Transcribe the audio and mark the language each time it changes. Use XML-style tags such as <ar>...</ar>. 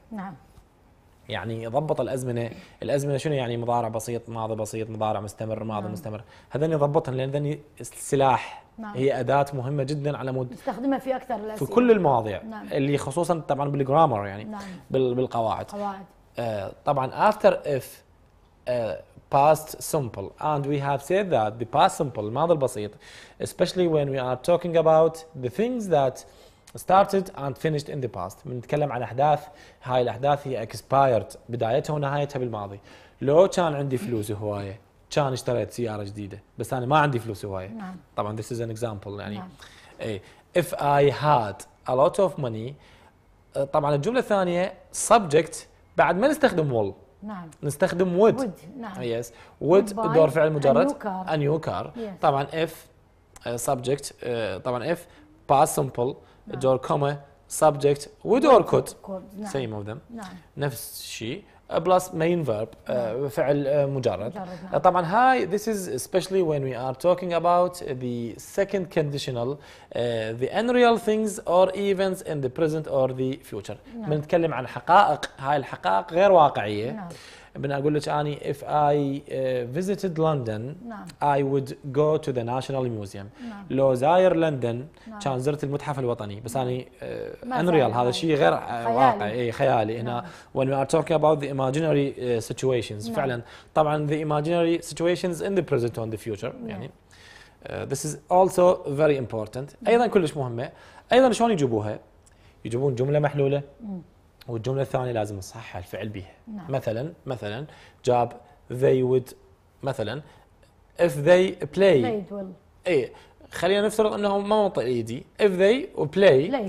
<ar>نعم. يعني يضبط الأزمنة. الأزمنة شنو يعني؟ مضارع بسيط، ماضي بسيط، مضارع مستمر، ماضي. نعم. مستمر. هذني يضبطها لأن هذني سلاح. نعم. هي أداة مهمة جدا على مود نستخدمها في أكثر الأسئلة في كل المواضيع. نعم. اللي خصوصا طبعا بالجرامر يعني. نعم. بالقواعد. قواعد.</ar> <en>طبعا after if past simple and we have said that the past simple</en> <ar>الماضي البسيط</ar> <en>especially when we are talking about the things that started and finished in the past.</en> <ar>من نتكلم عن أحداث، هاي الأحداث هي expired، بدايتها ونهايتها بالماضي. لو كان عندي فلوس هواية كان اشتريت سيارة جديدة، بس أنا ما عندي فلوس هواية. نعم.</ar> <en>طبعا this is an example يعني.</en> <ar>نعم.</ar> <en>If I had a lot of money.</en> <ar>طبعا الجملة الثانية subject بعد ما نستخدم will. نعم. نستخدم would. نعم. yes. would دور فعل مجرد.</ar> <en>a new car. Yes. طبعا if subject طبعا if past simple دور كومة subject ودور كود same of them.</en> <ar>نعم. نفس الشيء</ar> <en>plus main verb.</en> <ar>نعم. فعل مجرد. مجرد. نعم.</ar> <en>طبعا هاي this is especially when we are talking about the second conditional the unreal things or events in the present or the future.</en> <ar>نعم. بنتكلم عن حقائق، هاي الحقائق غير واقعية. نعم. بنا أقول لك أني</ar> <en>if I visited London.</en> <ar>نعم.</ar> <en>I would go to the National Museum.</en> <ar>نعم. لو زاير لندن. نعم. كان زرت المتحف الوطني بس. نعم. أنا unreal هذا شيء غير واقعي. خيالي. أي خيالي. نعم.</ar> <en>هنا when we are talking about the imaginary situations.</en> <ar>نعم. فعلا طبعا</ar> <en>the imaginary situations in the present and the future.</en> <ar>نعم.</ar> <en>يعني this is also very important.</en> <ar>نعم. أيضا كلش مهمة. أيضا شلون يجيبوها؟ يجيبون جملة محلولة. نعم. والجملة الثانية لازم نصحح الفعل بها. نعم. مثلا مثلا جاب</ar> <en>they would مثلا if they play played</en> <ar>well. إيه خلينا نفترض انهم ما مطئ ايدي</ar> <en>if they play</en>